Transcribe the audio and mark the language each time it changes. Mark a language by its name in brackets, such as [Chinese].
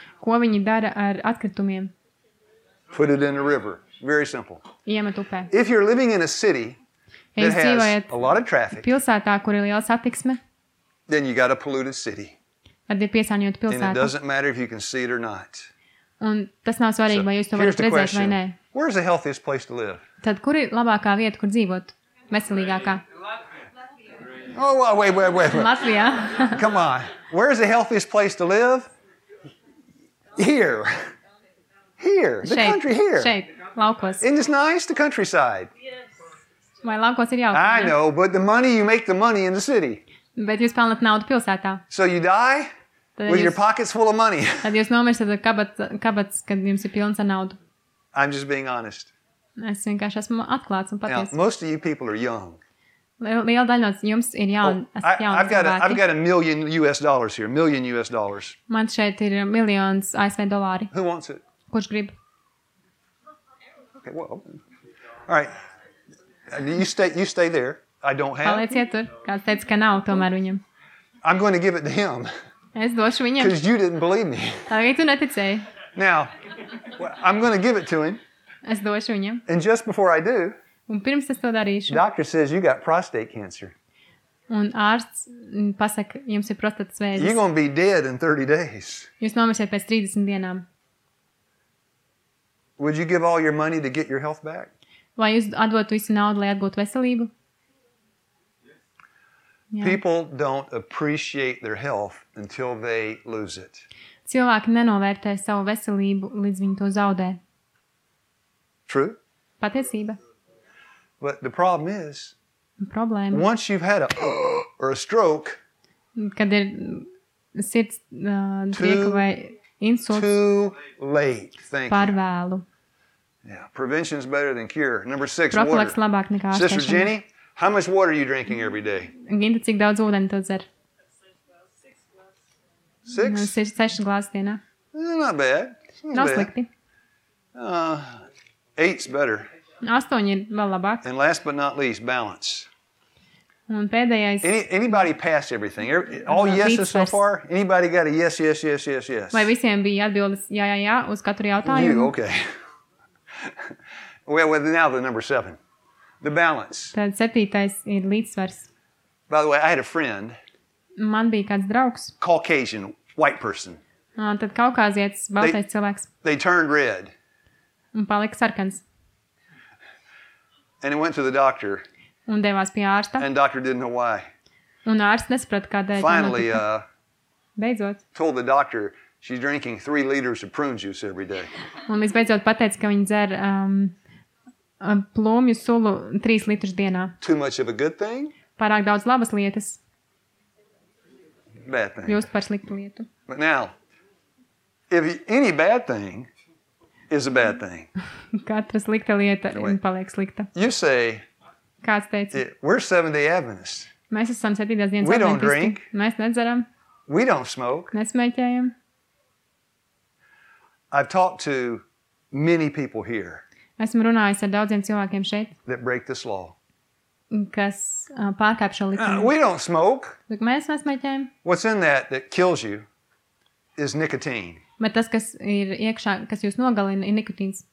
[Latvian] Ko viņi dara ar atkritumiem? [English] Put it in a river. Very simple. [Latvian] Iemet upē. [English] If you're living in a city that has a lot of traffic, [Latvian] pilsētā, kur ir liela satiksme, [English] then you got a polluted city. [Latvian] Tad ir piesārņota pilsēta. [English] And it doesn't matter if you can see it or not. [Latvian] Un tas nav svarīgi, vai jūs to varat redzēt vai nē. [English] Where's the healthiest place to live? [Latvian] Tad kur ir labākā vieta, kur dzīvot? Veselīgākā. [English] Oh, wait. [Latvian] Latvijā. [English] Come on. Where is the healthiest place to live? Here. Here. The [Latvian] šeit, [English] country here. [Latvian] Šeit, laukos. [English] Isn't this nice? The countryside. [Latvian] Vai laukos ir jauki? [English] I know, but the money, you make the money in the city. [Latvian] Bet jūs pelnat naudu pilsētā. [English] So you die with jūs, your pockets full of money. [Latvian] Tad jūs nomirstat ar kabats, kad jums ir pilns ar naudu. [English] I'm just being honest. [Latvian] Es vienkārši esmu atklāts un patiesi. [English] Now, most of you people are young. [Latvian] Liela daļa no jums ir jauni, [English] I've got a million US dollars here, million US dollars. [Latvian] Man šeit ir miljons ASV dolāri. [English] Who wants it? [Latvian] Kurš grib? [English] Okay, well. All right. You stay there. I don't have. [Latvian] Palieciet tur. Kāds teica, ka nav tomēr viņam. [English] I'm going to give it to him. [Latvian] Es došu viņam. [English] Because you didn't believe me. [Latvian] Tagad tu neticēji. [English] Now, I'm going to give it to him. [Latvian] Es došu viņam. [English] And just before I do, [Latvian] un pirms es to darīšu. [English] Doctor says you got prostate cancer. [Latvian] Un ārsts pasaka, jums ir prostatas vēzis. [English] You're going to be dead in 30 days. [Latvian] Jūs nomirsiet pēc 30 dienām. [English] Would you give all your money to get your health back? [Latvian] Vai jūs atdotu visu naudu, lai atgūtu veselību? [English] Yeah. People don't appreciate their health until they lose it. [Latvian] Cilvēki nenovērtē savu veselību, līdz viņi to zaudē. [English] True? [Latvian] Patiesība. [English] But the problem is, problem. Once you've had a or a stroke, [Latvian] kad ir sirds drieku vai insults, [English] too late, thank you. [Latvian] Par vēlu. [English] Yeah, prevention is better than cure. Number 6, [Latvian] profilaks [English] water. [Latvian] Labāk nekā [English] Sister Jenny, How much water are you drinking every day? [Latvian] Ginta, cik daudz ūdeni tu dzer? [English] Six? [Latvian] Seši glāzes dienā. [English] Not bad. [Latvian] Nav slikti. [English] Eight's better. [Latvian] Astoņi ir vēl labāk. [English] And last but not least, balance. [Latvian] Un pēdējais... [English] Anybody passed everything? All yeses so far? Anybody got a yes, yes, yes, yes, yes? [Latvian] Vai visiem bija atbildes jā, jā, jā uz katru jautājumu? [English] You, okay. Well, now the number seven. The balance. [Latvian] Tad septītais ir līdzsvars. [English] By the way, I had a friend. [Latvian] Man bija kāds draugs. [English] Caucasian, white person. [Latvian] Tad kaukāzietis, baltais cilvēks. [English] They turned red. [Latvian] Un palika sarkans. [English] And he went to the doctor. [Latvian] Un devās pie ārsta. [English] And doctor didn't know why. [Latvian] Un ārsts nesaprata, kādēļ. [English] Finally, [Latvian] beidzot. [English] Told the doctor she's drinking 3 liters of prune juice every day. [Latvian] Un viņš beidzot pateica, ka viņa dzer plūmju sulu 3 litrus dienā. [English] Too much of a good thing? [Latvian] Pārāk daudz labas lietas. [English] Bad thing. [Latvian] Just par sliktu lietu. [English] But now, if any bad thing is a bad thing. [Latvian] Katra slikta lieta ir paliek slikta. [English] You say, [Latvian] kāds teica? [English] We're Seventh-day Adventists. [Latvian] Mēs esam septītās dienas [English] adventisti. We don't drink. [Latvian] Mēs nedzeram. [English] We don't smoke. [Latvian] Nesmēķējam. [English] I've talked to many people here. [Latvian] Esmu runājis ar daudziem cilvēkiem šeit. [English] That break this law. [Latvian] Kas pārkāp šo likumu. [English] We don't smoke. [Latvian] Bet mēs nesmēķējam. [English] What's in that that kills you is nicotine. [Latvian] Bet tas, kas ir iekšā, kas jūs nogalina, ir nikotīns.